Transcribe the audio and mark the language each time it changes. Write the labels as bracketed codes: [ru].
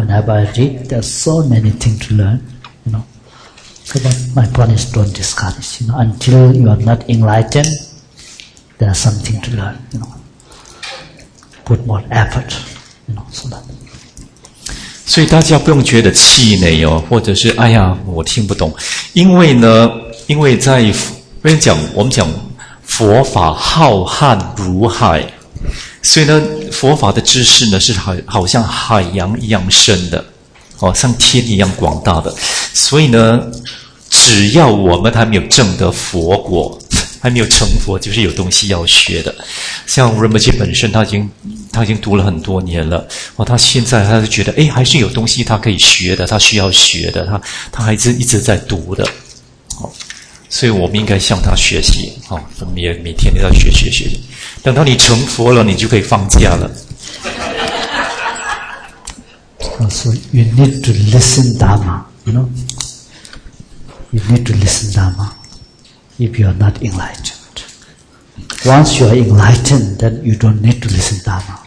[en] Whenever I read, there's so many things to learn. You know, so but my point is, don't discourage. You know, until you are not enlightened, there's something to learn. You know, put more effort. You know, so that. [zh] 所以大家不用觉得气馁哦，或者是哎呀我听不懂，因为呢，因为在跟你讲，我们讲佛法浩瀚如海，所以呢，佛法的知识呢是好像海洋一样深的，哦，像天一样广大的，所以呢，只要我们还没有证得佛果，还没有成佛，就是有东西要学的。像 Rinpoche 本身他已经读了很多年了，他现在他就觉得诶还是有东西他可以学的，他需要学的，他还是一直在读的，所以我们应该向他学习，每天都要学，等到你成佛了你就可以放假了。 [en] So you need to listen Dharma, you know, you need to listen Dharma if you are not enlightened. Once you are enlightened, then you don't need to listen Dharma.